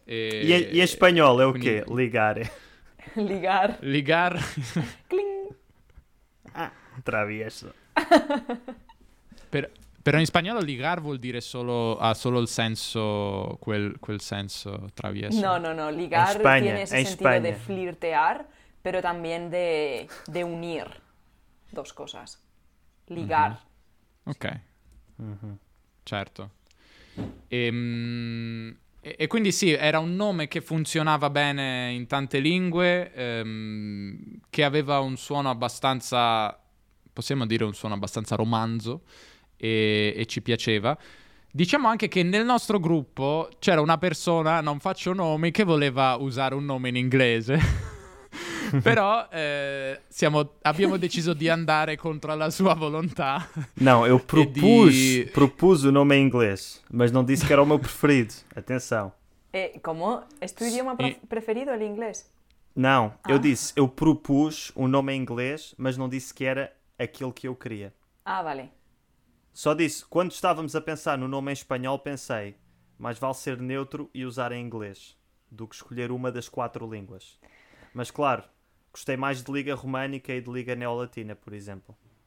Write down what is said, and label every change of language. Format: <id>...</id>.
<it>E in spagnolo è ok, quindi... ligare.</it> <es>Ligar. Ligar.</es> <en>Cling.</en> <es>Ah, travieso.</es> <it>Però in spagnolo ligar vuol dire solo, ha solo il senso, quel senso travieso.</it> <es>No, ligar tiene ese sentido España. De flirtear, pero también de unir dos cosas. Ligar.</es> <it>Uh-huh. Ok. Uh-huh. Certo. E quindi sì, era un nome che funzionava bene in tante lingue, che aveva un suono abbastanza, possiamo dire un suono abbastanza romanzo, e ci piaceva. Diciamo anche che nel nostro gruppo c'era una persona, non faccio nomi, che voleva usare un nome in inglese. Però abbiamo deciso di andare contro la sua volontà. No, io propus il nome in inglese, ma non disse che era il mio preferito. Attenzione. E come? È il tuo idioma preferito l'inglese? No, io disse, io propus un nome in inglese, ma non disse che era quello che io queria.</it> <es>Ah, vale.</es> <pt>Só disse,</pt> <it>quando stavamo a pensare</it> <pt>no nome in spagnolo, pensei, mais vale ser neutro e usar em inglês do que escolher uma das quatro línguas. Mas claro, gostei mais de Liga Românica e de Liga Neolatina, por exemplo.</pt>